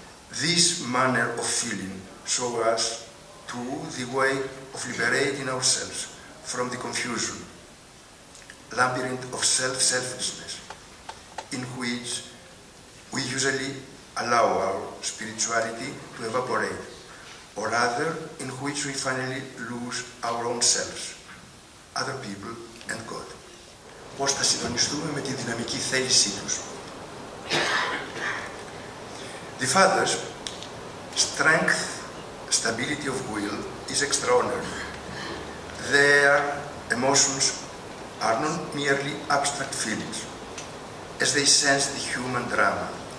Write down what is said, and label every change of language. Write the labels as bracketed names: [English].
[English] This manner of feeling shows us to the way of liberating ourselves from the confusion, labyrinth of self-selfishness, in which we usually allow our spirituality to evaporate, or rather in which we finally lose our own selves, other people and God. [Greek] Πώς θα συντονιστούμε με τη δυναμική θέλησή τους. [English] The Father's strength, stability of will is extraordinary. Their emotions are not merely abstract feelings, as they sense the human drama.